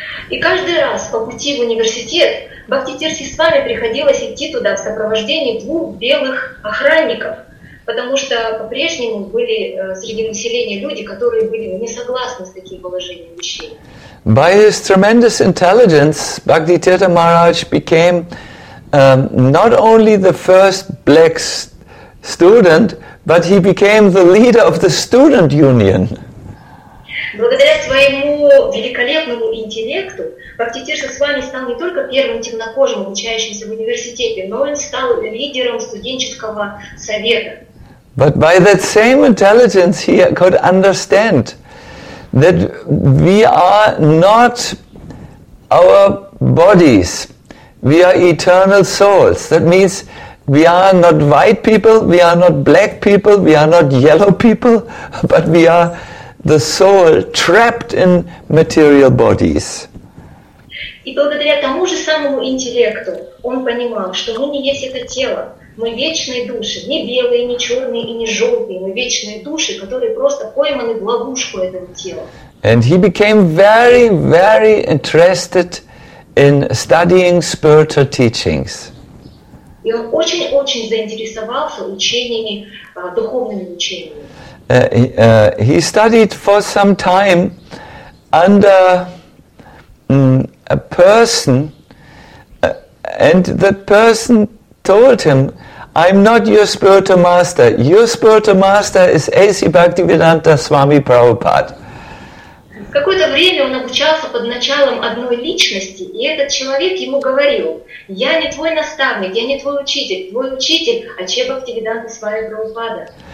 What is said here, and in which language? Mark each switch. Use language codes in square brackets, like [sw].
[ru] И каждый раз по пути в университет Бхактисиддхи Свами приходилось идти туда в сопровождении двух белых охранников, потому что по-прежнему были среди населения люди, которые были не согласны с таким положением вещей. [en] By his tremendous intelligence, Bhaktisiddhanta Maharaj became not only the first black student, but he became the leader of the student union. [ru] Благодаря своему великолепному интеллекту, Бхактисиддхи Свами стал не только первым темнокожим, обучающимся в университете, но он стал лидером студенческого совета. [en] But by that same intelligence, he could understand that we are not our bodies, we are eternal souls. That means we are not white people, we are not black people, we are not yellow people, but we are the soul trapped in material bodies. [ru] И благодаря тому же самому интеллекту он понимал, что мы не есть это тело, мы вечные души, не белые, не черные и не желтые, мы вечные души, которые просто пойманы в ловушку этого тела. [en] And he became very, very interested in studying spiritual teachings. [ru] И он очень-очень заинтересовался учениями, духовными учениями. [en] He studied for some time under a person, and the person told him, I'm not your spiritual master. Your spiritual master is A.C. Bhaktivedanta Swami Prabhupada. [ru] Какое-то время он обучался под началом одной личности, и этот человек ему говорил, я не твой наставник, я не твой учитель. Твой учитель Ачья Бхактивиданта Свами Прабхупада.